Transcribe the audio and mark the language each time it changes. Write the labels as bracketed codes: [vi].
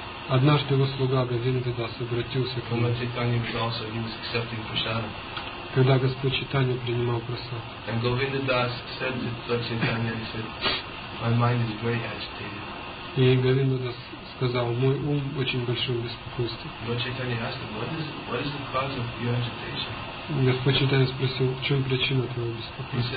[ru] Однажды его слуга Говинда Дас обратился к нему. [en] Lord Chaitanya was also accepting prasadam. [ru] Когда Господь Чайтанья принимал прасад. [en] And Govinda Das said to Lord Chaitanya, he said, "My mind is very agitated." [ru] И Говинда Дас сказал, мой ум очень большое беспокойство. [en] Lord Chaitanya asked him, what is the cause of your agitation? [ru] Господь Чайтанья спросил, в чем причина твоего беспокойства?